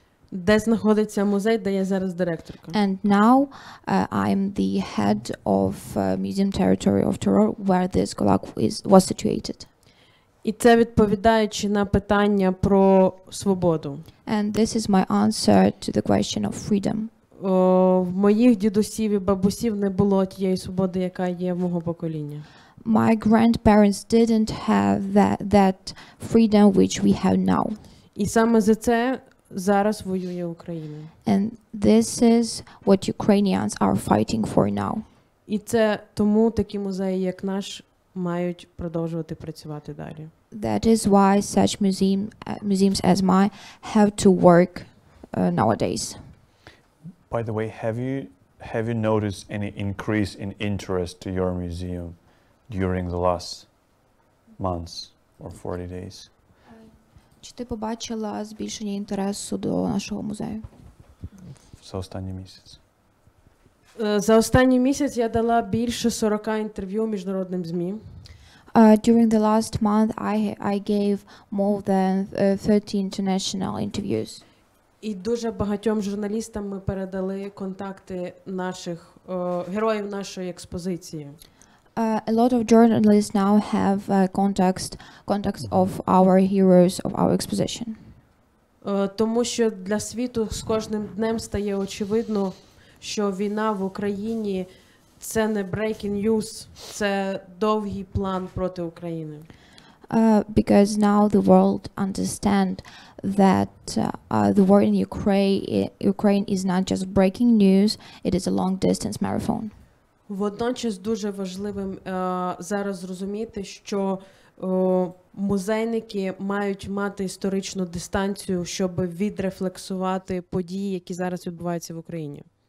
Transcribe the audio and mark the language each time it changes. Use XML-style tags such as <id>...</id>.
<uk>Де знаходиться музей, де я зараз директорка.</uk> <en>And now I'm the head of Museum Territory of Terror, where this GULAG was situated.</en> <uk>І це відповідаючи на питання про свободу.</uk> <en>And this is my answer to the question of freedom.</en> <uk>В моїх дідусів і бабусів не було тієї свободи, яка є в мого покоління.</uk> <en>My grandparents didn't have that freedom which we have now.</en> <uk>І саме за це зараз воює Україна.</uk> <en>And this is what Ukrainians are fighting for now.</en> <uk>І це тому такі музеї, як наш, мають продовжувати працювати далі.</uk> <en>That is why such museums as mine have to work nowadays. By the way, have you noticed any increase in interest to your museum during the last months or 40 days?</en> <uk>Чи ти побачила збільшення інтересу до нашого музею? За останній місяць. За останній місяць я дала більше 40 інтерв'ю міжнародним ЗМІ.</uk> <en>During the last month, I gave more than 30 international interviews.</en> <uk>І дуже багатьом журналістам ми передали контакти наших героїв нашої експозиції.</uk> <en>A lot of journalists now have contacts of our heroes of our exposition.</en> <uk>Тому що для світу з кожним днем стає очевидно, що війна в Україні це не breaking news, це довгий план проти України.</uk> <en>Because now the world understand that the war in Ukraine is not just breaking news, it is a long distance marathon.</en> <uk>Водночас дуже важливим зараз зрозуміти, що музейники мають мати історичну дистанцію, щоб відрефлексувати події, які зараз відбуваються в Україні.</uk>